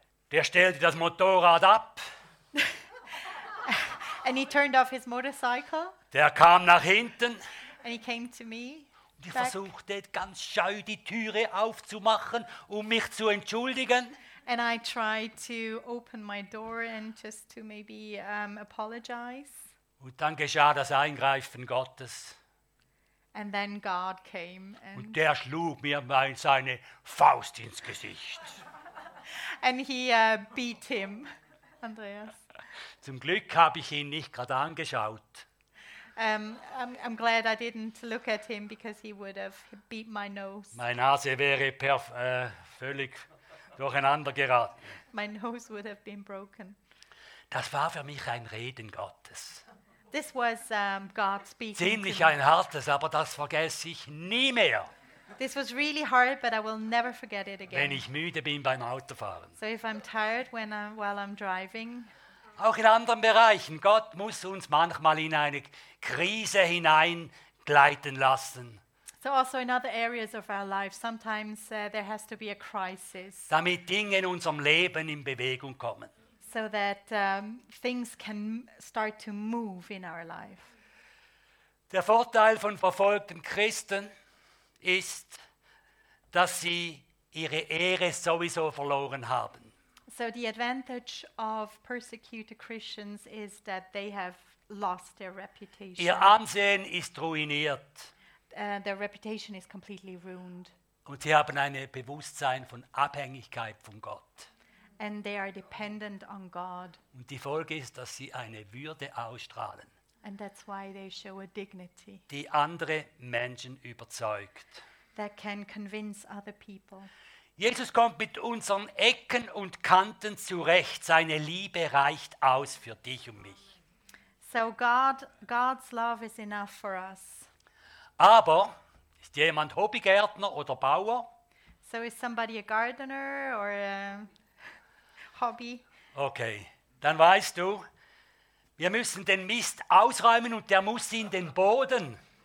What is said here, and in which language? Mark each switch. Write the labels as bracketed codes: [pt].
[de] Der stellte das Motorrad ab. [en] And he turned off his motorcycle. [de] Der kam nach hinten. [en] And he came to me. [de] Ich versuchte ganz scheu die Türe aufzumachen, um mich zu entschuldigen. [en] And I tried to open my door and just to maybe apologize. [de] Und dann geschah das Eingreifen Gottes. [en] And then God came and [de] und der schlug mir mal seine Faust ins Gesicht. [en] And he beat him, Andreas. [de] Zum Glück habe ich ihn nicht gerade angeschaut. [en] I'm glad I didn't look at him because he would have beat my nose. [de] Mein Nase wäre völlig durcheinander geraten. [en] My nose would have been broken. [de] Das war für mich ein Reden Gottes. [en] This was God speaking. [de] Ziemlich ein hartes, aber das vergesse ich nie mehr. [en] This was really hard, but I will never forget it again. [de] Wenn ich müde bin beim Autofahren. [en] So if I'm tired when I'm, while I'm driving. [de] Auch in anderen Bereichen. Gott muss uns manchmal in eine Krise hineingleiten lassen. [en] So also in other areas of our life, sometimes there has to be a crisis. [de] Damit Dinge in unserem Leben in Bewegung kommen. [en] So that things can start to move in our life. [de] Der Vorteil von verfolgten Christen ist, dass sie ihre Ehre sowieso verloren haben. [en] So the advantage of persecuted Christians is that they have lost their reputation. [de] Ihr Ansehen ist ruiniert. [en] Their reputation is completely ruined. [de] Und sie haben ein Bewusstsein von Abhängigkeit von Gott. [en] And they are dependent on God. [de] Und die Folge ist, dass sie eine Würde ausstrahlen. [en] And that's why they show a dignity. [de] Die andere Menschen überzeugt. [en] That can convince other people. [de] Jesus kommt mit unseren Ecken und Kanten zurecht. Seine Liebe reicht aus für dich und mich. [en] So God's love is enough for us. [de] Aber ist jemand Hobbygärtner oder Bauer? [en] So is somebody a gardener or a hobby? [de] Okay, dann weißt du, wir müssen den Mist ausräumen und der muss in den Boden.